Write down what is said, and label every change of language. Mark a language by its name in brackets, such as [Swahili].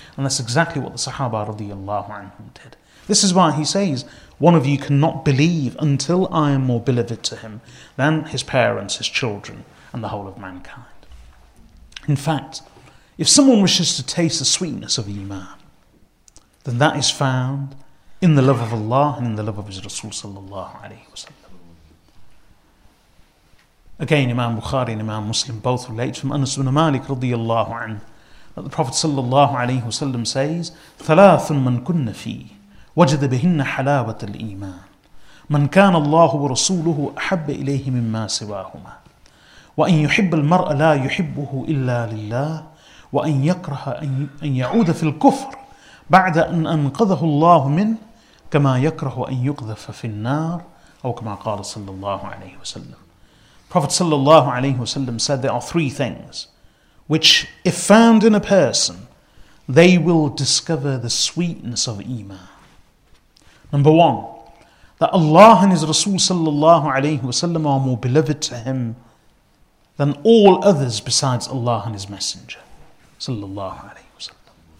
[English] And that's exactly what the Sahaba radiallahu anhum did. This is why he says, one of you cannot believe until I am more beloved to him than his parents, his children, and the whole of mankind. In fact, if someone wishes to taste the sweetness of Iman, then that is found in the love of Allah and in the love of His Rasul sallallahu alayhi wasallam. Again, Imam Bukhari and Imam Muslim both relate from Anas ibn Malik radiyallahu anhu that the Prophet sallallahu alayhi wa sallam says, [Arabic] ثَلَاثٌ مَنْ كُنَّ فِيهِ وَجَدَ بِهِنَّ حَلَاوَةَ الْإِيمَانِ مَنْ كَانَ اللَّهُ وَرَسُولُهُ أَحَبَّ إِلَيْهِ مِمَّا سِوَاهُمَا وَأَنْ يُحِبَّ الْمَرْأَ لَا يُحِبُّهُ إِلَّا لِلَّهِ وَأَنْ يَكْرَهَ أَنْ يَعُودَ فِي الْكُفْرِ بَعْدَ أَنْ أَنْقَذَهُ اللَّهُ مِنْهُ كَمَا يَكْرَهُ أَنْ يُقْذَفَ فِي النَّارِ أَوْ كَمَا قَالَ sallallahu alayhi wa sallam. [English] Prophet sallallahu alayhi wasallam said there are three things which, if found in a person, they will discover the sweetness of Iman. Number one, that Allah and His Rasul sallallahu alayhi wasallam are more beloved to him than all others besides Allah and His Messenger sallallahu alayhi wasallam.